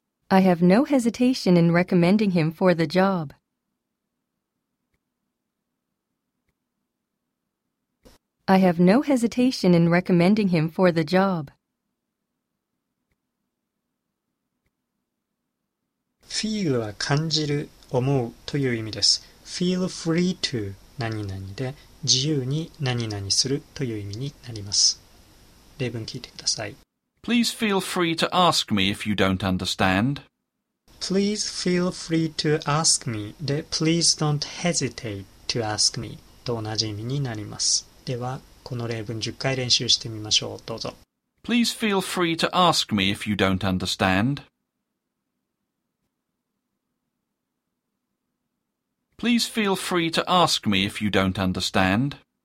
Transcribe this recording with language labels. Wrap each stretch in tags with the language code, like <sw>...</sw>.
<en>I have no hesitation in recommending him for the job. I have no hesitation in recommending him for the job.</en> <ja>Feel は感じる、思うという意味です。</ja> <en>Feel free to</en> <ja>何々で、自由に何々するという意味になります。例文聞いてください。</ja> <en>Please feel free to ask me if you don't understand. Please feel free to ask me</en> <ja>で、</ja> <en>Please don't hesitate to ask me</en> <ja>と同じ意味になります。では、この例文10回練習してみましょう。どうぞ。</ja> <en>Please feel free to ask me if you don't understand. Please feel free to ask me if you don't understand.</en>